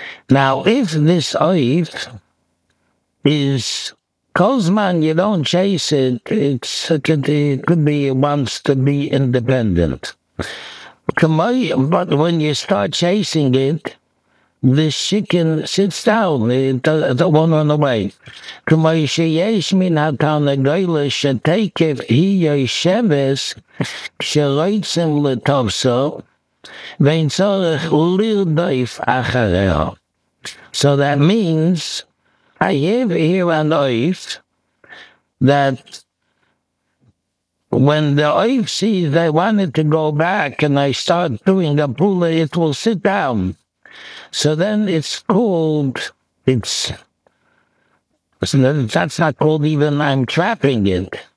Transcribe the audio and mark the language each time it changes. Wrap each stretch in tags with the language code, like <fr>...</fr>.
<en>Now, if this oif is,</en> <he>כל זמן</he> <en>you don't chase it, it's, it could be, it wants to be independent. But when you start chasing it, the chicken sits down, it won't run away.</en> <he>כמו שיש מן התרנגולת שתקף היא יושבת כשרוצים לתפסו, ואין צורך לרדוף אחריה.</he> <en>So that means, I have here an oif, that when the oif sees they want it to go back and I start doing a pula, it will sit down. So then it's called, that's not called even I'm trapping it.</en>